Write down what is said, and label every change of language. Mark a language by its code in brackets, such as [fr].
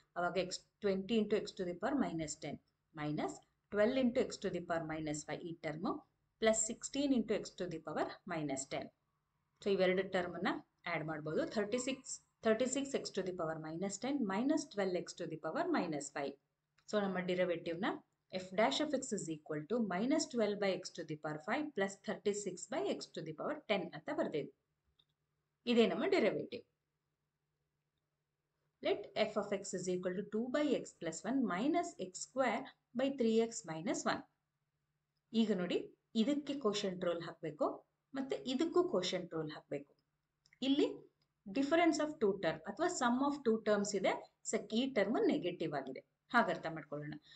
[en] ಅವಾಗ x twenty into x to the power minus ten minus twelve into x to the power minus five ಈ term plus sixteen into x to the power minus ten. [kn] So ಇವೆರಡು ಟರ್ಮನ್ನು add ಮಾಡ್ಬೋದು, [en] Thirty six x to the power minus ten minus twelve x to the power minus five. [kn] So ನಮ್ಮ ಡಿರಿವೇಟಿವ್ನ [en] f dash of x is equal to minus 12 by x to the power 5 plus 36 by x to the power 10 [kn] ಅಂತ ಬರ್ತಿದೆ. ಇದೇ ನಮ್ಮ derivative. [en] Let f of x is equal to 2 by x plus 1 minus x square by 3 x minus 1. [kn] ಈಗ ನೋಡಿ, ಇದಕ್ಕೆ question rule ಹಾಕಬೇಕು ಮತ್ತು ಇದಕ್ಕೂ ಕೋಶನ್ ರೂಲ್ ಹಾಕಬೇಕು. ಇಲ್ಲಿ [en] difference of two term ಅಥವಾ sum of two terms [kn] ಇದೆ, ಸಕ್ ಈ ಟರ್ಮ್ ನೆಗೆಟಿವ್ ಆಗಿದೆ. ಹಾಗೆ ಅರ್ಥ ಮಾಡ್ಕೊಳ್ಳೋಣ.